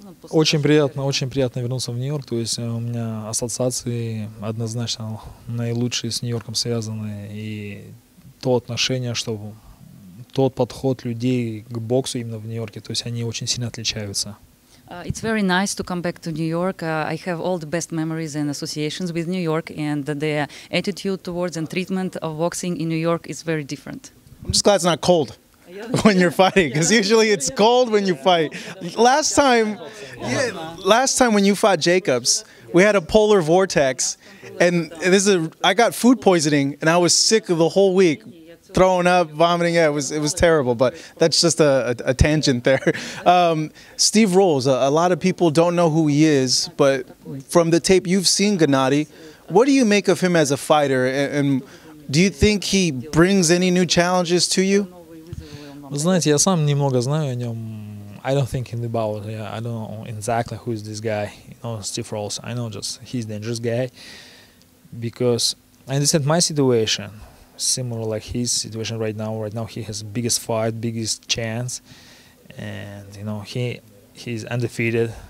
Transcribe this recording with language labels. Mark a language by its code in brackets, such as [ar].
[ru] Очень приятно, вернуться в Нью-Йорк. То есть у меня ассоциации однозначно наилучшие с Нью-Йорком связаны. И то отношение, что тот подход людей к боксу именно в Нью-Йорке, то есть они очень сильно отличаются. [en] It's very nice to come back to New York. I have all the best memories and associations with New York, and the attitude towards and treatment of boxing in New York is very different. I'm just glad it's not cold when you're fighting, because usually it's cold when you fight. Last time when you fought Jacobs, we had a polar vortex, and I got food poisoning, and I was sick the whole week, throwing up, vomiting. Yeah, it was terrible, but that's just a tangent there. Steve Rolls, a lot of people don't know who he is, but from the tape you've seen, Gennady, what do you make of him as a fighter, and do you think he brings any new challenges to you? [ru] Знаете, я сам немного знаю о нем. [en] I don't think in the bout. Yeah, I don't know exactly who is this guy. You know, Steve Rolls. I know just he's a dangerous guy. Because I understand my situation, similar like his situation right now. Right now he has biggest fight, biggest chance. And you know, he's undefeated.